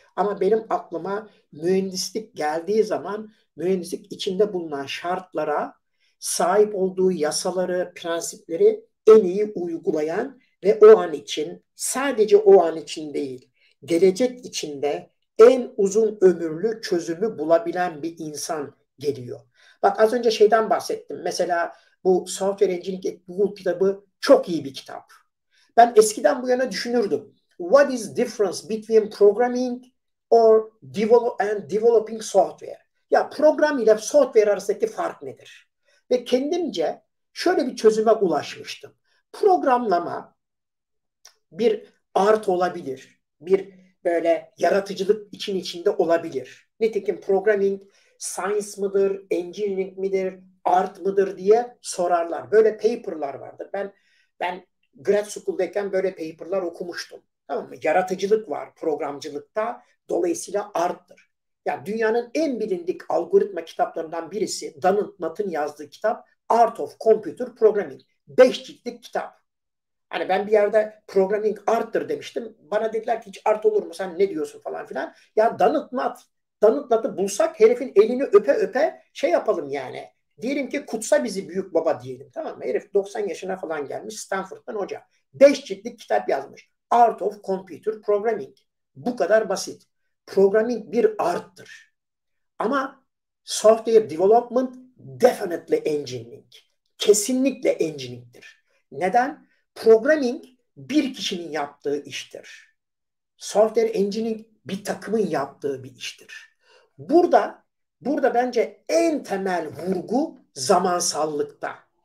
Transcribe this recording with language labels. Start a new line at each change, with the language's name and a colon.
Turkish: Ama benim aklıma mühendislik geldiği zaman mühendislik içinde bulunan şartlara sahip olduğu yasaları, prensipleri en iyi uygulayan ve o an için sadece o an için değil, gelecek içinde en uzun ömürlü çözümü bulabilen bir insan geliyor. Bak az önce şeyden bahsettim. Mesela bu Software Engineering at Google kitabı çok iyi bir kitap. Ben eskiden bu yana düşünürdüm.
English: What is difference between programming or develop and developing software?
Turkish: Ya program ile software arasındaki fark nedir? Ve kendimce şöyle bir çözüme ulaşmıştım. Programlama bir art olabilir. Bir böyle yaratıcılık için içinde olabilir. Nitekim programming science mıdır, engineering midir, art mıdır diye sorarlar. Böyle paperlar vardır. Ben grad school'dayken böyle paperlar okumuştum. Tamam mı? Yaratıcılık var programcılıkta. Dolayısıyla arttır. Yani dünyanın en bilindik algoritma kitaplarından birisi Dan Knott'ın yazdığı kitap Art of Computer Programming. 5 ciltlik kitap. Hani ben bir yerde programming arttır demiştim. Bana dediler ki hiç art olur mu sen ne diyorsun falan filan. Ya Dan Knott'ı bulsak herifin elini öpe öpe şey yapalım yani. Diyelim ki kutsa bizi büyük baba diyelim, tamam mı? Herif 90 yaşına falan gelmiş Stanford'dan hoca. 5 ciltlik kitap yazmış. Art of Computer Programming. Bu kadar basit. Programming bir arttır.
English: Ama software development definitely engineering.
Turkish: Kesinlikle engineering'dir. Neden? Programming bir kişinin yaptığı iştir. Software engineering bir takımın yaptığı bir iştir. Burada bence en temel vurgu zamansallıkta.